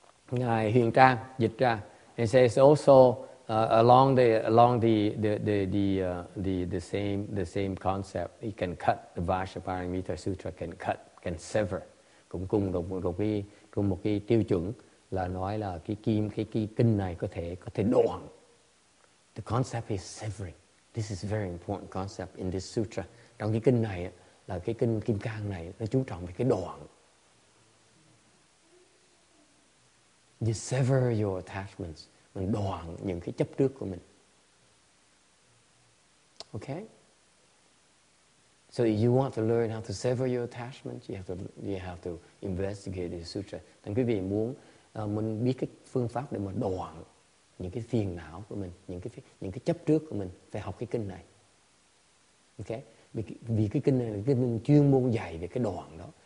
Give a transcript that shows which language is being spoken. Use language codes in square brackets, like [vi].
[vi] Ngài Huyền Trang dịch ra, [en] and says also along the same concept, it can cut the Vajraparamita Sutra, can sever, [vi] cũng cùng một cái tiêu chuẩn là nói là cái kinh này có thể đoạn. [en] The concept is severing. This is a very important concept in this sutra. [vi] Trong cái kinh này là cái kinh Kim Cang này nó chú trọng về cái đoạn. [en] You sever your attachments, [vi] mình đoạn những cái chấp trước của mình. [en] Okay? So if you want to learn how to sever your attachments, you have to investigate this sutra. [vi] Thành quý vị muốn mình biết cái phương pháp để mà đoạn những cái phiền não của mình, những cái chấp trước của mình, phải học cái kinh này. Okay? Vì cái kinh này, cái mình chuyên môn dạy về cái đoạn đó.